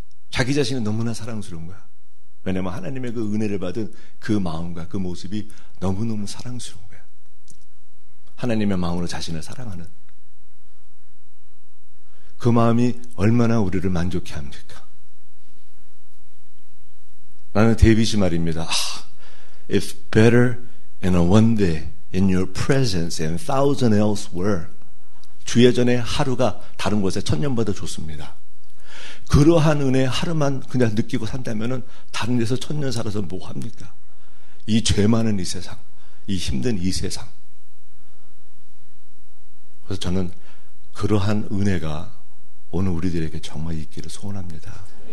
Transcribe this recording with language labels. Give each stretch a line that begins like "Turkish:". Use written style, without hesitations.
Korean: 자기 자신은 너무나 사랑스러운 거야. 왜냐면 하나님의 그 은혜를 받은 그 마음과 그 모습이 너무너무 사랑스러운 거야. 하나님의 마음으로 자신을 사랑하는 그 마음이 얼마나 우리를 만족해 합니까? 나는 데이빗이 말입니다.
English: It's better in a one day in your presence and thousand elsewhere.
Korean: 주의 전에 하루가 다른 곳에 천년보다 좋습니다. 그러한 은혜 하루만 그냥 느끼고 산다면은 다른 데서 천년 살아서 뭐 합니까? 이 죄 많은 이 세상, 이 힘든 이 세상. 그래서 저는 그러한 은혜가 오늘 우리들에게 정말 있기를 소원합니다.